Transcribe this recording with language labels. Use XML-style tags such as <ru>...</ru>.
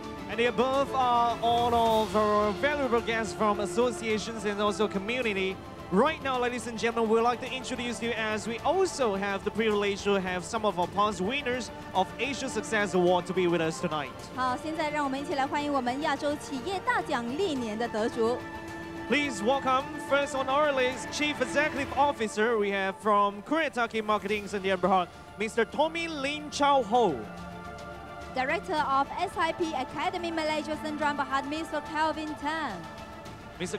<en>And the above are all of our valuable guests from associations and also community. Right now, ladies and gentlemen, we'd like to introduce you as we also have the privilege to have some of our past winners of Asia Success Award to be with us tonight.</en> <zh>好，现在让我们一起来欢迎我们亚洲企业大奖历年的得主。</zh> <en>Please welcome, first on our list, Chief Executive Officer we have from Kuretake Marketing in the Emberhard, Mr. Tommy Lin Chow Ho. Director of SIP Academy Malaysia Sdn Bhd, Mr. Kelvin Tan. Mr.</en>